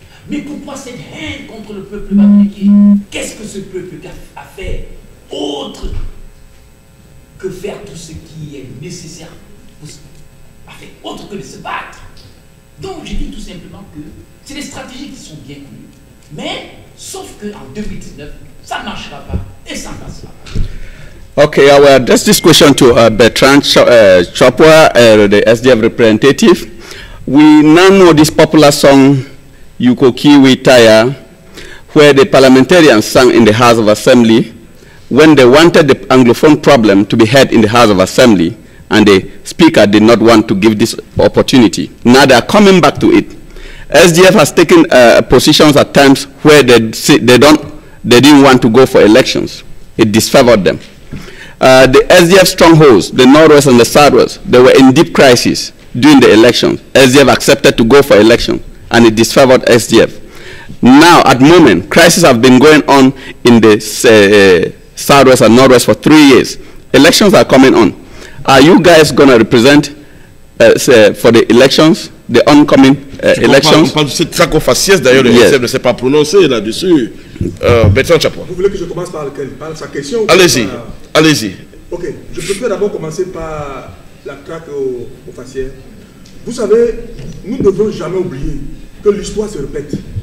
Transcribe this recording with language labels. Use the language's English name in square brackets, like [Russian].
[French] Mais pourquoi cette haine contre le peuple bamiléki? Qu'est-ce que ce peuple a fait autre que faire tout ce qui est nécessaire pour a fait autre que de se battre? Donc je dis tout simplement que c'est des stratégies qui sont bien connues. Mais, sauf qu'en 2019, ça ne marchera pas et ça ne passera pas. [English] Ok, I will address this question to Bertrand Chopwa, the SDF representative. We now know this popular song, Yuko Kiwi Taya, where the parliamentarians sang in the House of Assembly when they wanted the Anglophone problem to be heard in the House of Assembly, and the speaker did not want to give this opportunity. Now they are coming back to it. SDF has taken positions at times where they didn't want to go for elections. It disfavored them. The SDF strongholds, the Northwest and the Southwest, they were in deep crisis during the elections. SDF accepted to go for election, and it disfavored SDF. Now, at the moment, crises have been going on in the Southwest and Northwest for 3 years. Elections are coming on. Are you guys going to represent for the elections, the oncoming elections? [French] On parle de cette traque aux faciès, d'ailleurs, le SDF ne s'est pas prononcé là-dessus. Bertrand Chapon. Vous voulez que je commence par, par sa question? Allez-y. Allez-y. Ok, je préfère d'abord commencer par la traque aux faciès. Vous savez, nous ne devons jamais oublier que l'histoire se répète.